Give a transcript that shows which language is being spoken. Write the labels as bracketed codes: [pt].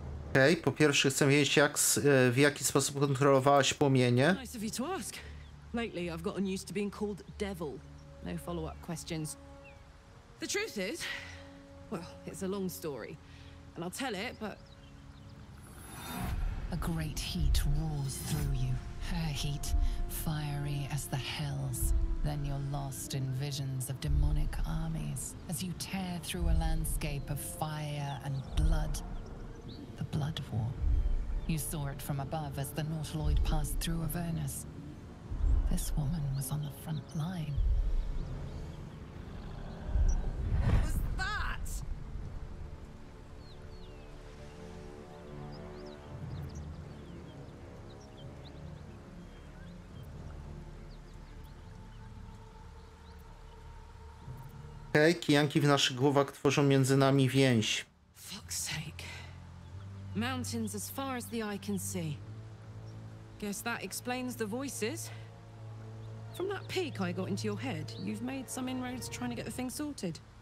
[pl] Okej, po pierwsze chcę wiedzieć, jak, w jaki sposób kontrolowałaś płomienie. [en] Nice of you to ask. Lately I've gotten used to being called Devil. No follow-up questions. The truth is, well, it's a long story. and I'll tell it, but... A great heat roars through you. Her heat, fiery as the hells. Then you're lost in visions of demonic armies as you tear through a landscape of fire and blood. The Blood War. You saw it from above as the Nautiloid passed through Avernus. This woman was on the front line. [pl] Okej, kijanki w naszych głowach tworzą między nami więź. [en] Fuck's sake. Mountains as far as the eye can see. Guess that explains the voices. From that peak I got into your head, you've made some inroads trying to get the thing sorted.